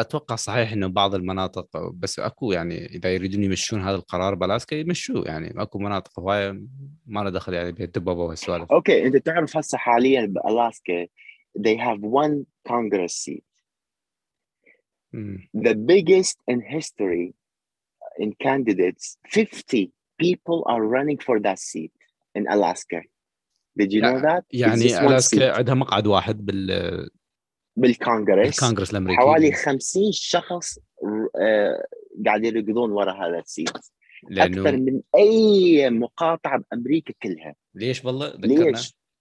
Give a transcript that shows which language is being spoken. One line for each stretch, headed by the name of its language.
Arabic: اتوقع صحيح انه بعض المناطق، بس اكو يعني اذا يريدون يمشون هذا القرار بلاسكا يمشوه، يعني اكو مناطق هواي ما له دخل يعني بالدببه والسوالف. اوكي انت تعرف هسه حاليا بالاسكا
English: they have one congress seat the biggest in history in candidates 50 people are running for that seat in Alaska. Did you know that?
Arabic: يعني ألاسكا عندها مقعد واحد بالكونغرس الأمريكي، حوالي 50 شخص قاعد يرقدون ورا هذا السيت، أكثر من أي مقاطعة بأمريكا كلها. ليش بالله ذكرنا؟ ليش؟